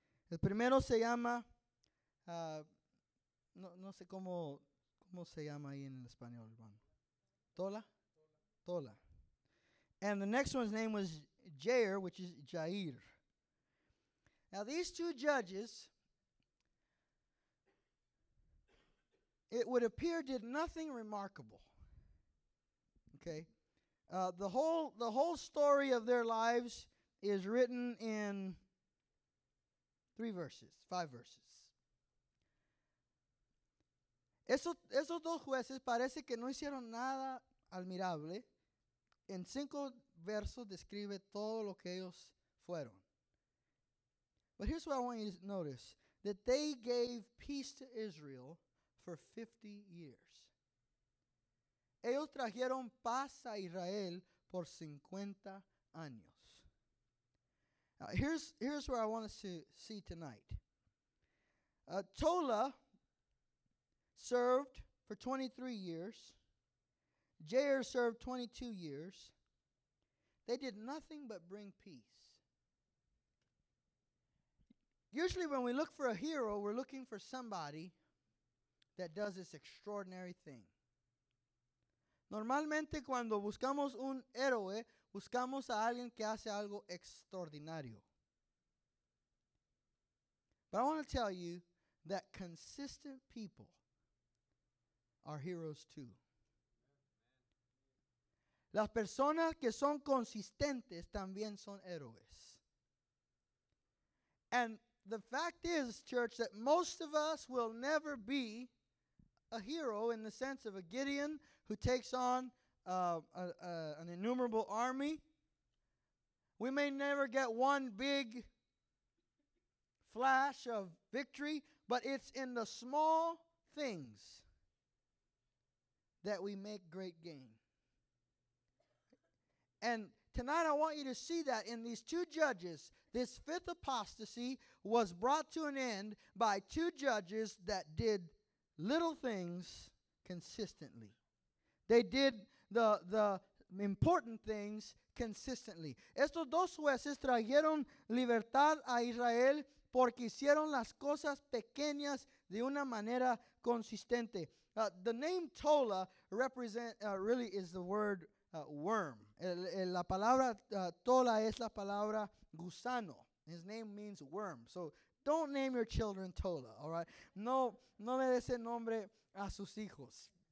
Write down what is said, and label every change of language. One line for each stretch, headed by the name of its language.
Spanish: El primero se llama, no sé cómo se llama ahí en el español, hermano. Tola. Tola.
English: And the next one's name was Jair, which is Jair. Now these 2 judges, it would appear, did nothing remarkable. Okay. The whole story of their lives is written in 5 verses.
Spanish: Esos dos jueces parece que no hicieron nada admirable. En 5 versos describe todo lo que ellos fueron.
English: But here's what I want you to notice. That they gave peace to Israel for 50 years.
Spanish: Ellos trajeron paz a Israel por 50 años.
English: Now, here's where I want us to see tonight. Tola served for 23 years. Jair served 22 years. They did nothing but bring peace. Usually when we look for a hero, we're looking for somebody that does this extraordinary thing.
Spanish: Normalmente cuando buscamos un héroe, buscamos a alguien que hace algo extraordinario.
English: But I want to tell you that consistent people are heroes too.
Spanish: Las personas que son consistentes también son héroes.
English: And the fact is, church, that most of us will never be a hero in the sense of a Gideon who takes on an innumerable army. We may never get one big flash of victory, but it's in the small things that we make great gain. And tonight I want you to see that in these 2 judges, this 5th apostasy was brought to an end by 2 judges that did little things consistently. They did the important things consistently.
Spanish: Estos dos jueces trajeron libertad a Israel porque hicieron las cosas pequeñas de una manera consistente.
English: The name Tola really is the word worm.
Spanish: La palabra Tola es la palabra gusano.
English: His name means worm. So don't name your children Tola, all right?
Spanish: No le des el nombre a sus hijos.